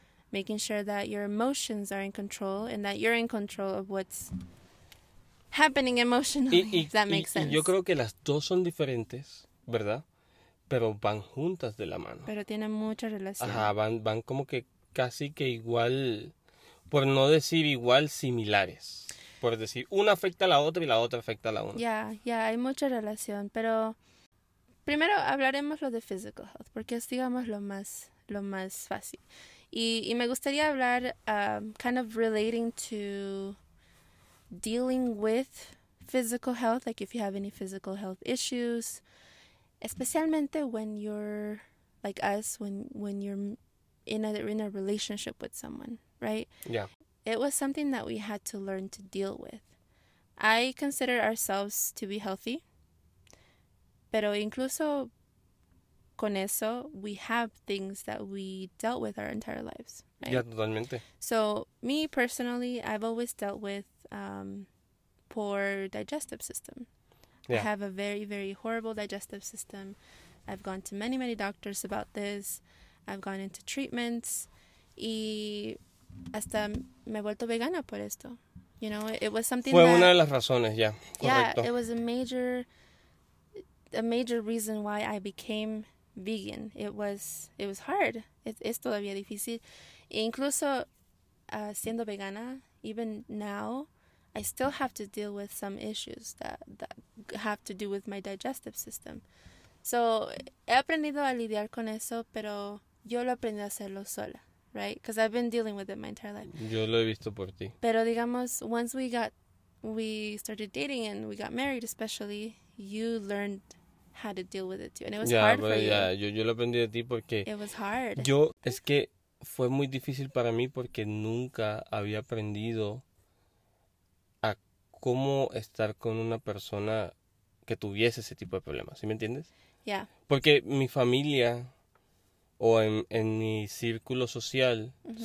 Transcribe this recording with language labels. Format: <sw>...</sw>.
<en>Making sure that your emotions are in control and that you're in control of what's happening emotionally.</en> <es>Y yo creo que las dos son diferentes, ¿verdad? Pero van juntas de la mano. Pero tienen mucha relación. Ajá, van como que casi que igual, por no decir igual, similares. Por decir, una afecta a la otra y la otra afecta a la una. Ya, hay mucha relación, pero primero hablaremos lo de</es> <en>physical health,</en> <es>porque es, digamos, lo más fácil. Y me gustaría hablar,</es> <en>kind of relating to dealing with physical health, like if you have any physical health issues,</en> <es>especialmente</es> <en>when you're, like us, when you're in a relationship with someone, right? Yeah. It was something that we had to learn to deal with. I consider ourselves to be healthy.</en> <es>Pero incluso con eso,</es> <en>we have things that we dealt with our entire lives. Right? Yeah,</en> <es>totalmente.</es> <en>So, me personally, I've always dealt with poor digestive system. Yeah. I have a very, very horrible digestive system. I've gone to many, many doctors about this. I've gone into treatments.</en> <es>Y hasta me he vuelto vegana por esto.</es> <en>You know, it was something</en> <es>fue</es> <en>that...</en> <es>Fue una de las razones, yeah. Correcto.</es> <en>Yeah, it was a major reason why I became vegan. It was hard.</en> <es>Es todavía difícil. E incluso siendo vegana,</es> <en>even now, I still have to deal with some issues that have to do with my digestive system.</en> <es>So, he aprendido a lidiar con eso, pero yo lo aprendí a hacerlo sola, right?</es> <en>Because I've been dealing with it my entire life.</en> <es>Yo lo he visto por ti. Pero digamos,</es> <en>once we started dating and we got married especially, you learned how to deal with it too. And it was hard for you.</en> <es>Yeah, yo lo aprendí de ti porque...</es> <en>It was hard.</en> <es>Yo, es que fue muy difícil para mí porque nunca había aprendido a cómo estar con una persona que tuviese ese tipo de problemas. ¿Sí me entiendes?</es> <en>Yeah.</en> <es>Porque mi familia o en mi círculo social, mm-hmm.</es>